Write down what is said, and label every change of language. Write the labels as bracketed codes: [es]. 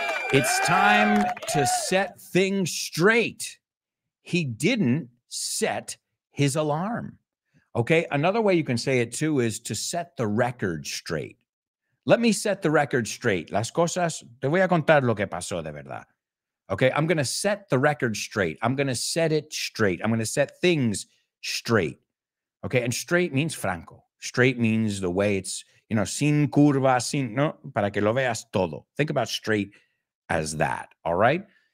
[en] It's time to set things straight. He didn't set his alarm. Okay, another way you can say it too is to set the record straight. Let me set the record straight. [es] Las cosas, te voy a contar lo que pasó de verdad. [en] Okay, I'm going to set the record straight. I'm going to set it straight. I'm going to set things straight. Okay, and straight means franco. Straight means the way it's, you know, [es] sin curva, sin, no, para que lo veas todo. [en] Think about straight as that, all right?